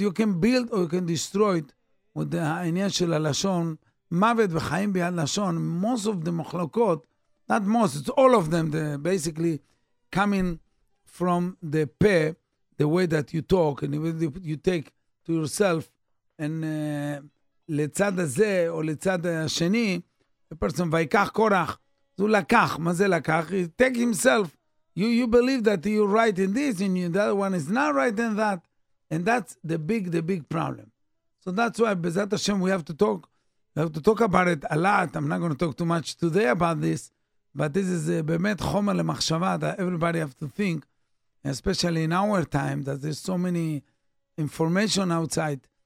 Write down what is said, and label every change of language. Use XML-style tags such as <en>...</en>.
<en>You can build or you can destroy it with the</en> <he>inyan shel lashon, mavet v'chaim b'yad lashon.</he> <en>Most of the machlokot, not most, it's all of them, they're basically coming from the peh, the way that you talk and even you take to yourself. And</en> <he>לצד הזה או לצד השני,</he> <en>the person</en> <he>ויקח קורח, הוא לקח, מה זה לקח?</he> <en>He take himself. You believe that you're right in this and you, the other one is not right in that. And that's the big problem. So that's why</en> <he>בזאת השם</he> <en>we have to talk about it a lot. I'm not going to talk too much today about this, but this is באמת</en> <he>חומר למחשבה</he> <en>that everybody have to think, especially in our time, that there's so many information outside.</en>